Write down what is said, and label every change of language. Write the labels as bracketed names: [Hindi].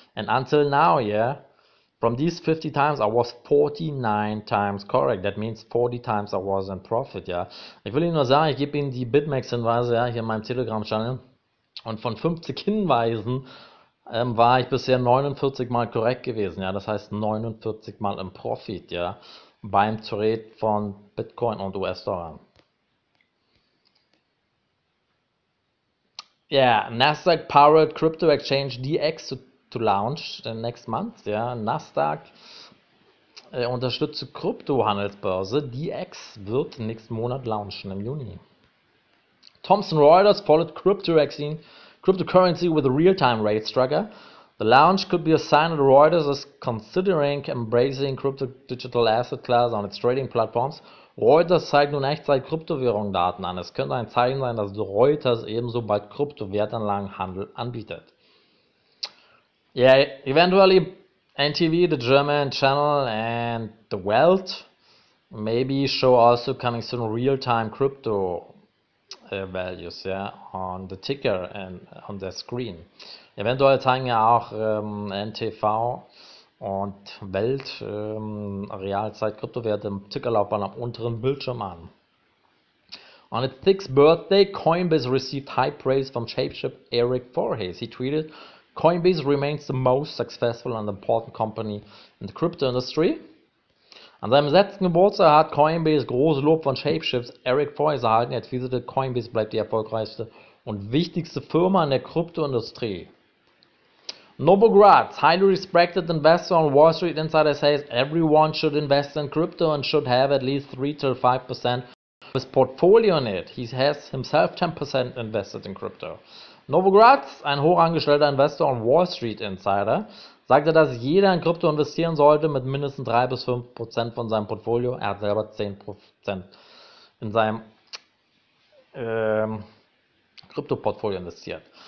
[English] And until now, yeah, from these 50 times, I was 49 times correct. That means 40 times I was in profit, ja. Yeah. [German] Ich will Ihnen nur sagen, ich gebe Ihnen die Bitmex-Hinweise, ja, hier in meinem Telegram-Channel. Und von 50 Hinweisen war ich bisher 49 Mal korrekt gewesen, ja. Das heißt 49 Mal im Profit, ja. Beim Trade von Bitcoin und US-Dollar. [English] Yeah, Nasdaq Powered Crypto Exchange DX to launch next month. [German] Yeah, Nasdaq unterstützt Kryptohandelsbörse. DX wird nächsten Monat launchen im Juni. [English] Thomson Reuters followed cryptocurrency with a real-time rate tracker. The launch could be a sign that Reuters is considering embracing crypto digital asset class on its trading platforms. [German] Reuters zeigt nun Echtzeit Kryptowährungsdaten an. Es könnte ein Zeichen sein, dass Reuters ebenso bald Kryptowertanlagenhandel anbietet. [English] Yeah, eventually NTV, the German channel and the Welt maybe show also coming soon real-time crypto values, yeah, on the ticker and on the screen. [German] Eventuell zeigen ja auch NTV und Welt Realzeit-Kryptowerte im Ticker-Laufband am unteren Bildschirm an. [English] On its sixth birthday, Coinbase received high praise from Shapeshift Eric Voorhees. He tweeted, "Coinbase remains the most successful and important company in the crypto industry." [German] An seinem letzten Geburtstag hat Coinbase großes Lob von Shapeshift Eric Voorhees erhalten. Er tweetete, "Coinbase bleibt die erfolgreichste und wichtigste Firma in der Kryptoindustrie." [English] Novogratz, highly respected investor on Wall Street Insider, says everyone should invest in crypto and should have at least 3 to 5% of his portfolio in it. He has himself 10% invested in crypto. [German] Novogratz, ein hochangestellter Investor on Wall Street Insider, sagte, dass jeder in Krypto investieren sollte mit mindestens 3 bis 5% von seinem Portfolio. Er hat selber 10% in seinem Krypto-Portfolio investiert.